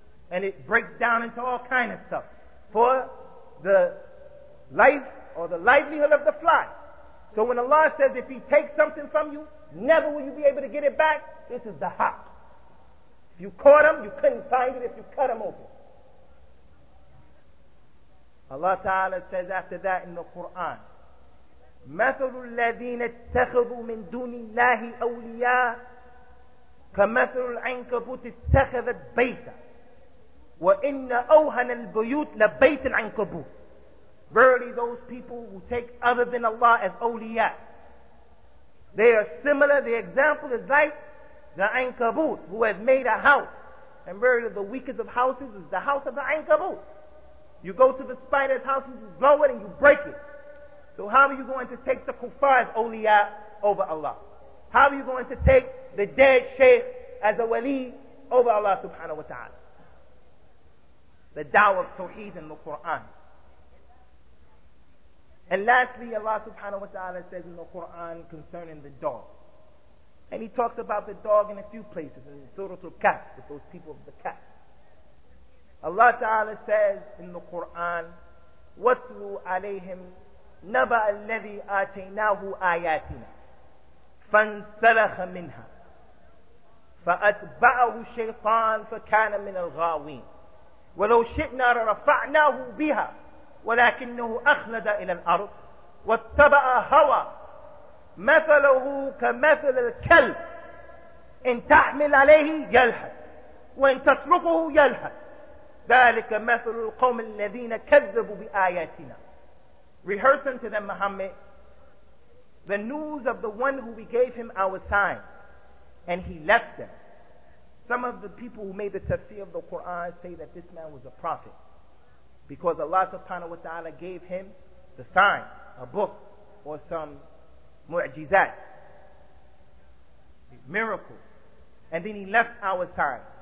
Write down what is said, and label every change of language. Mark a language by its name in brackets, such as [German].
[English] And it breaks down into all kinds of stuff for the life or the livelihood of the fly. So when Allah says if he takes something from you, never will you be able to get it back, this is the haq. If you caught him, you couldn't find it if you cut him open. Allah Ta'ala says after that in the Quran, [Arabic] مَثَلُ الَّذِينَ اتَّخَذُوا مِن دُونِ اللَّهِ أَوْلِيَاءَ كَمَثَلُ الْعَنْكَبُوتِ اتَّخَذَتْ بَيْتًا وَإِنَّ أَوْهَنَ الْبُيُوتِ لَبَيْتِ الْعَنْكَبُوتِ. [English] Verily those people who take other than Allah as awliya, they are similar, the example is like the ankabut who has made a house. And verily the weakest of houses is the house of the ankabut. You go to the spider's house and you blow it and you break it. So how are you going to take the kuffar's awliya over Allah? How are you going to take the dead shaykh as a wali over Allah subhanahu wa ta'ala? The da'wah of tawheed in the Quran. And lastly, Allah subhanahu wa ta'ala says in the Quran concerning the dog. And he talks about the dog in a few places in Surah Al-Kahf with those people of the Kahf. Allah Ta'ala says in the Quran, [Arabic] وَاتْلُوا عَلَيْهِمْ نَبَأَ الَّذِي آتَيْنَاهُ آيَاتِنَا فَانْسَلَخَ مِنْهَا فَأَتْبَعَهُ الشَّيْطَانُ فَكَانَ مِنَ الْغَاوِينَ وَلَوْ شِئْنَا لَرَفَعْنَاهُ بِهَا وَلَكِنَّهُ أَخْلَدَ إِلَى الْأَرْضِ وَاتَّبَعَ هَوَى مثله كمثل الكلب إن تحمل عليه يلحث وإن تتركه يلحث ذلك مثل القوم الذين كذبوا بآياتنا. [English] Rehearsing to them, Muhammad, the news of the one who we gave him our sign, and he left them. Some of the people who made the tafsir of the Quran say that this man was a prophet, because Allah subhanahu wa ta'ala gave him the sign, a book, or some mu'jizat, miracle, and then he left our sign.